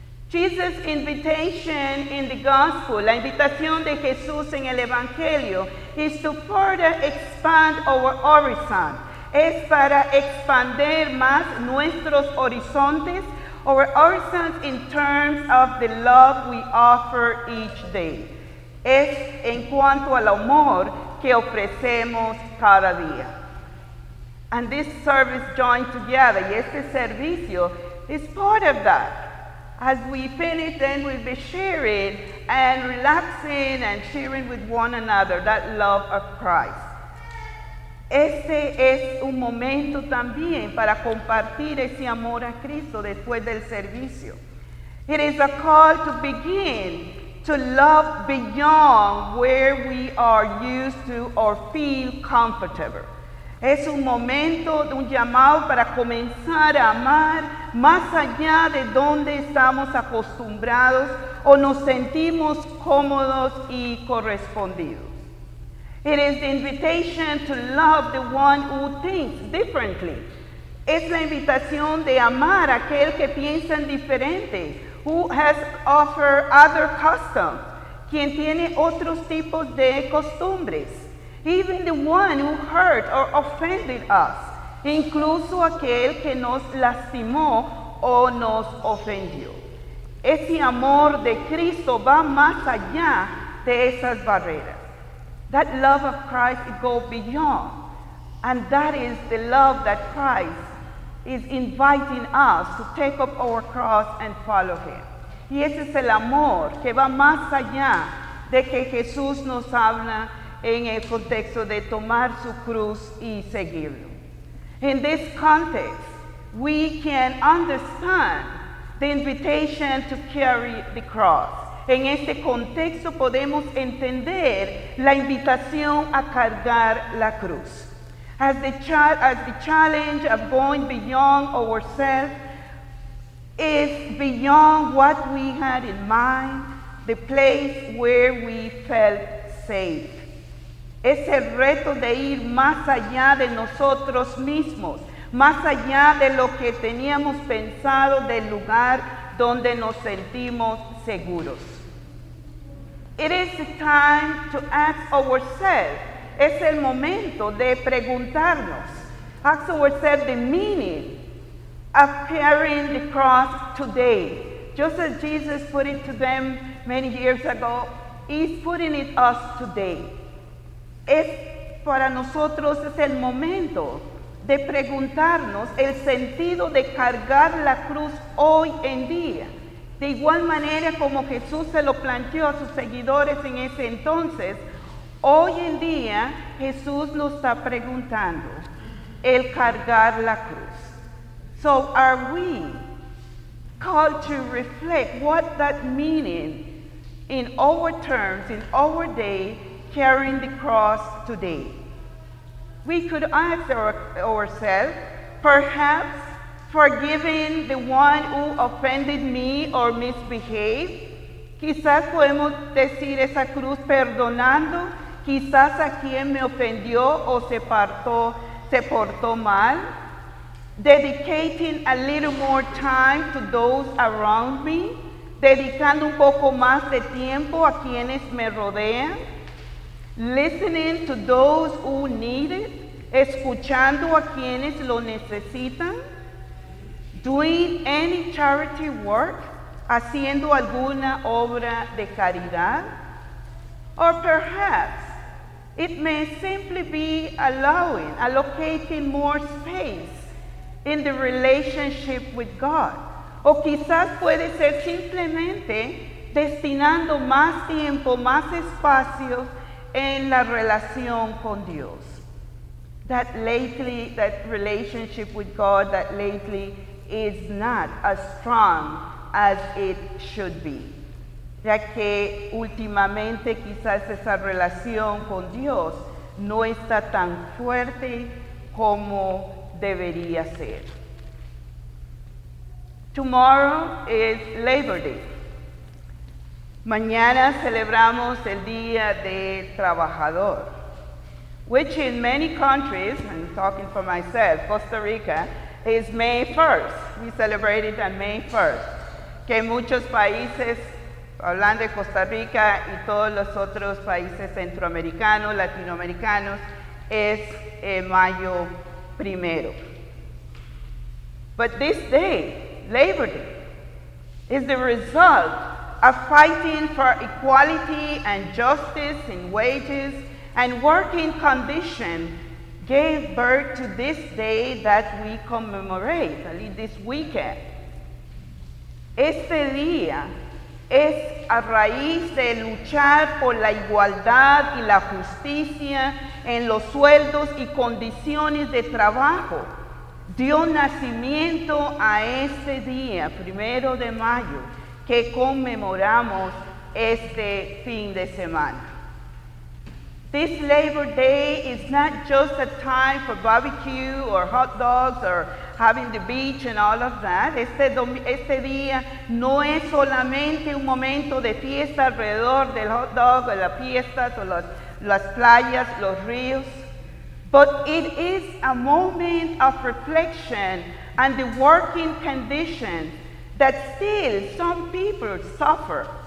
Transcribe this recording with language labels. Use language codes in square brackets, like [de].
[en] Jesus' invitation in the gospel, [es] la invitación de Jesús en el Evangelio, [en] is to further expand our horizon. [es] Es para expandir más nuestros horizontes, [en] our horizons in terms of the love we offer each day. [es] Es en cuanto al amor que ofrecemos cada día. [en] And this service joined together, [es] y este servicio, [en] is part of that. As we finish, then we'll be sharing and relaxing and sharing with one another that love of Christ. [es] Este es un momento también para compartir ese amor a Cristo después del servicio. [en] It is a call to begin to love beyond where we are used to or feel comfortable. [es] Es un momento, un llamado para comenzar a amar más allá de donde estamos acostumbrados o nos sentimos cómodos y correspondidos. [en] It is the invitation to love the one who thinks differently. [es] Es la invitación de amar a aquel que piensa diferente, [en] who has offered other customs, [es] quien tiene otros tipos de costumbres. [en] Even the one who hurt or offended us, [es] incluso aquel que nos lastimó o nos ofendió. Ese amor de Cristo va más allá de esas barreras. [en] That love of Christ goes beyond. And that is the love that Christ is inviting us to take up our cross and follow him. [es] Y ese es el amor que va más allá de que Jesús nos habla en el contexto de tomar su cruz y seguirlo. [en] In this context, we can understand the invitation to carry the cross. [es] En este contexto podemos entender la invitación a cargar la cruz. [en] As the challenge of going beyond ourselves is beyond what we had in mind, the place where we felt safe. [es] Es el reto de ir más allá de nosotros mismos, más allá de lo que teníamos pensado del lugar donde nos sentimos seguros. [en] It is the time to ask ourselves, [es] es el momento de preguntarnos, [en] ask ourselves the meaning of carrying the cross today. Just as Jesus put it to them many years ago, he's putting it us today. [es] Es para nosotros es el momento de preguntarnos el sentido de cargar la cruz hoy en día. De igual manera como Jesús se lo planteó a sus seguidores en ese entonces, hoy en día Jesús nos está preguntando, el cargar la cruz. [en] So are we called to reflect what that meaning in our terms, in our day, carrying the cross today? We could ask ourselves, perhaps forgiving the one who offended me or misbehaved. [es] Quizás podemos decir esa cruz perdonando, quizás a quien me ofendió o se portó mal. [en] Dedicating a little more time to those around me, [es] dedicando un poco más de tiempo a quienes me rodean. [en] Listening to those who need it, [es] escuchando a quienes lo necesitan. [en] Doing any charity work, [es] haciendo alguna obra de caridad. [en] Or perhaps it may simply be allocating more space in the relationship with God. [es] O quizás puede ser simplemente destinando más tiempo, más espacio en la relación con Dios. [en] That relationship with God that lately is not as strong as it should be. [es] Ya que últimamente quizás esa relación con Dios no está tan fuerte como debería ser. [en] Tomorrow is Labor Day. [es] Mañana celebramos el Día del Trabajador, [en] which in many countries, I'm talking for myself, Costa Rica, is May 1st. We celebrate it on May 1st. [es] Que en muchos países, hablando de Costa Rica y todos los otros países centroamericanos, latinoamericanos, es mayo primero. [en] But this day, Labor Day, is the result of fighting for equality and justice in wages and working condition gave birth to this day that we commemorate, at least this weekend. [es] Este día es a raíz de luchar por la igualdad y la justicia en los sueldos y condiciones de trabajo. Dio nacimiento a este día, primero de mayo, que conmemoramos este fin de semana. [en] This Labor Day is not just a time for barbecue or hot dogs or having the beach and all of that. [es] Este día no es solamente un momento de fiesta alrededor del hot dog o las fiestas o las playas, los ríos. [en] But it is a moment of reflection and the working conditions that still some people suffer.